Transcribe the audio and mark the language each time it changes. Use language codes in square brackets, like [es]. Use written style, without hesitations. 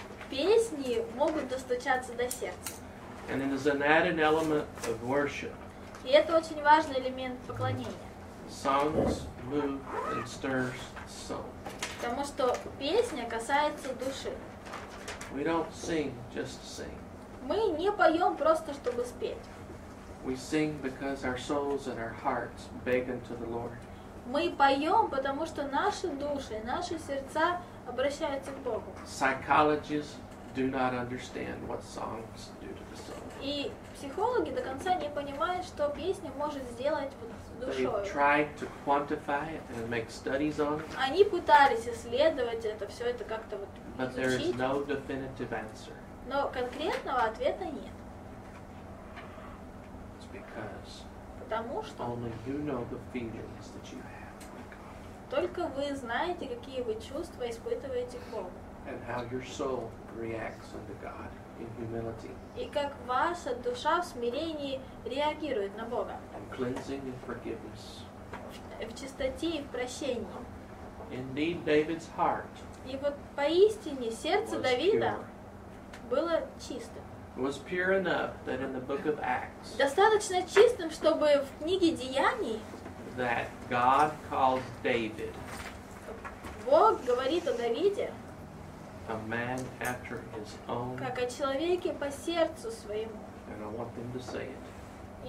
[ru] Песни могут достучаться до сердца. [en] And it is an added element of worship. [ru] И это очень важный элемент поклонения. [en] Songs move and stir soul. [ru] Потому что песня касается души. [en] We don't sing just to sing. [ru] Мы не поем просто чтобы спеть. [en] We sing because our souls and our hearts beg unto the Lord. [ru] Мы поем потому что наши души, наши сердца обращаются к Богу. [en] Psychologists do not understand what songs do to the soul. [ru] И психологи до конца не понимают, что песня может сделать вот с душой. [en] They tried to quantify it and make studies on it. [ru] Они пытались исследовать это, все это как-то вот изучить. [en] But there is no definitive answer. [ru] Но конкретного ответа нет. [en] It's because. [ru] Потому что. [en] Only you know the feelings that you have. [ru] Только вы знаете, какие вы чувства испытываете к Богу. [en] And how your soul reacts unto God in humility. [ru] И как ваша душа в смирении реагирует на Бога. [en] In cleansing and forgiveness. [ru] В чистоте и в прощении. [en] Indeed, David's heart. [ru] И вот поистине сердце Давида было чистым. [en] Was pure enough that in the book of Acts. [ru] Достаточно чистым, чтобы в книге Деяний. [en] That God calls David. [ru] Бог говорит о Давиде. [en] A man after his own. [ru] Как о человеке по сердцу своему. [en] And I want them to say it.